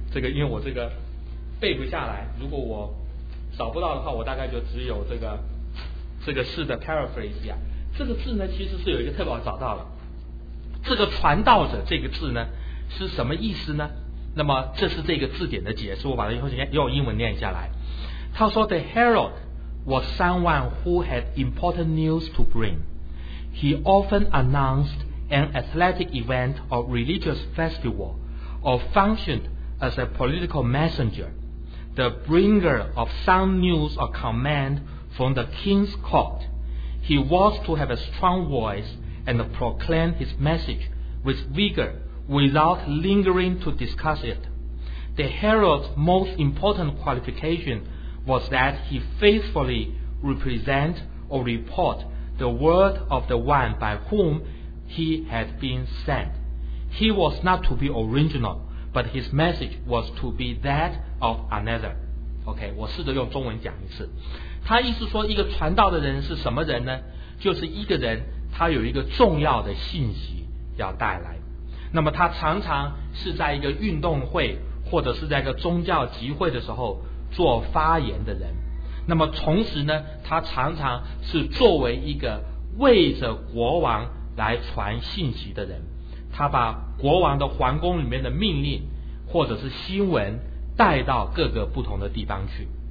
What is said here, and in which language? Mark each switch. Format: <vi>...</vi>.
<zh>这个因为我这个背不下来，如果我找不到的话，我大概就只有这个诗的 paraphrase 啊。这个字呢其实是有一个特别好找到了，这个传道者这个字呢是什么意思呢？那么这是这个字典的解释，我把它用英文念下来。他说</zh> <en>The herald was someone who had important news to bring. He often announced an athletic event or religious festival, or functioned as a political messenger, the bringer of some news or command from the king's court. He was to have a strong voice and proclaim his message with vigor without lingering to discuss it. The herald's most important qualification was that he faithfully represent or report the word of the one by whom he had been sent. He was not to be original, but his message was to be that of another.</en> <zh>OK， 我试着用中文讲一次。他意思说一个传道的人是什么人呢？就是一个人他有一个重要的信息要带来，那么他常常是在一个运动会或者是在一个宗教集会的时候做发言的人，那么同时呢他常常是作为一个为着国王来传信息的人，他把国王的皇宫里面的命令或者是新闻带到各个不同的地方去，</zh>